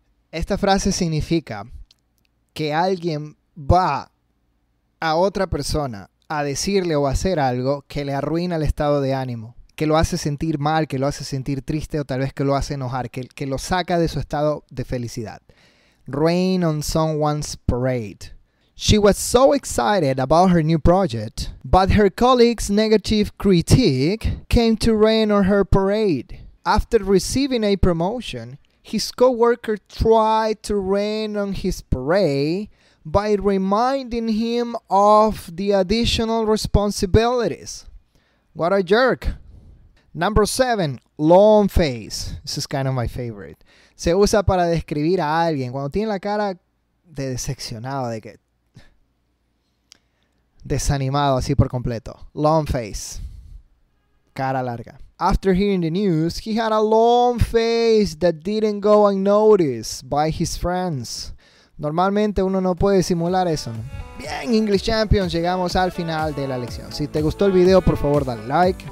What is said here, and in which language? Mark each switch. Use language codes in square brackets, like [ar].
[es] Esta frase significa que alguien va a otra persona a decirle o hacer algo que le arruina el estado de ánimo, que lo hace sentir mal, que lo hace sentir triste o tal vez que lo hace enojar, que lo saca de su estado de felicidad. [en] Rain on someone's parade. She was so excited about her new project, but her colleague's negative critique came to rain on her parade. After receiving a promotion, his co-worker tried to rain on his parade by reminding him of the additional responsibilities. What a jerk. Number 7, long face. This is kind of my favorite. [es] Se usa para describir a alguien cuando tiene la cara de decepcionado, de que desanimado así por completo. [en] Long face. [es] Cara larga. [en] After hearing the news, he had a long face that didn't go unnoticed by his friends. [es] Normalmente uno no puede simular eso, ¿no? Bien, English Champions, llegamos al final de la lección. Si te gustó el video, por favor, dale like.